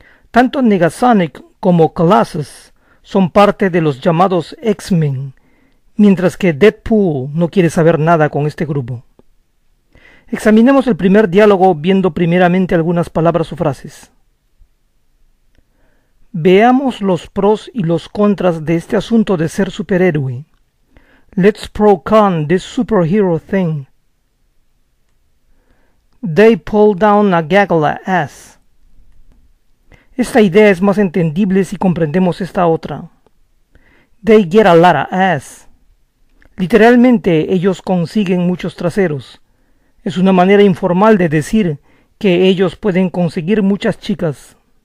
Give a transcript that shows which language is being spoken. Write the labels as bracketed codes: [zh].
[es] Tanto Negasonic como Colossus son parte de los llamados X-Men, mientras que Deadpool no quiere saber nada con este grupo. Examinemos el primer diálogo viendo primeramente algunas palabras o frases. Veamos los pros y los contras de este asunto de ser superhéroe. [en] Let's pro-con this superhero thing. They pull down a gaggle ass. [es] Esta idea es más entendible si comprendemos esta otra. [en] They get a lot of ass. [es] Literalmente, ellos consiguen muchos traseros. Es una manera informal de decir que ellos pueden conseguir muchas chicas.